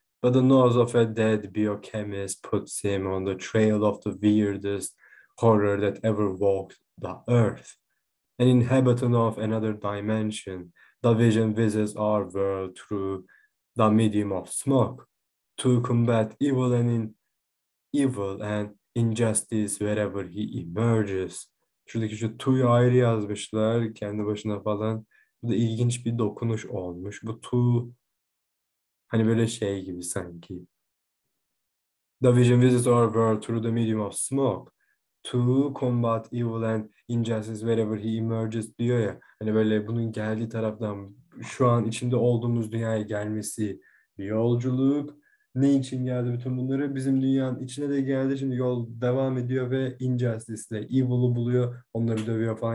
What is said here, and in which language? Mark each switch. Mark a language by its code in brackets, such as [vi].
[en] But the nose of a dead biochemist puts him on the trail of the weirdest horror that ever walked the earth. An inhabitant of another dimension, the vision visits our world through the medium of smoke to combat evil and injustice wherever he emerges. [tr] Şuradaki şu two'yu ayrı yazmışlar kendi başına falan. Bu da ilginç bir dokunuş olmuş. Bu two hani böyle şey gibi sanki. [en] The vision visits our world through the medium of smoke. To combat evil and injustice wherever he emerges [tr] diyor ya. Hani böyle bunun geldiği taraftan şu an içinde olduğumuz dünyaya gelmesi bir yolculuk. Ne için geldi bütün bunları? Bizim dünyanın içine de geldi. Şimdi yol devam ediyor ve injustice ile evil'ı buluyor. Onları dövüyor falan.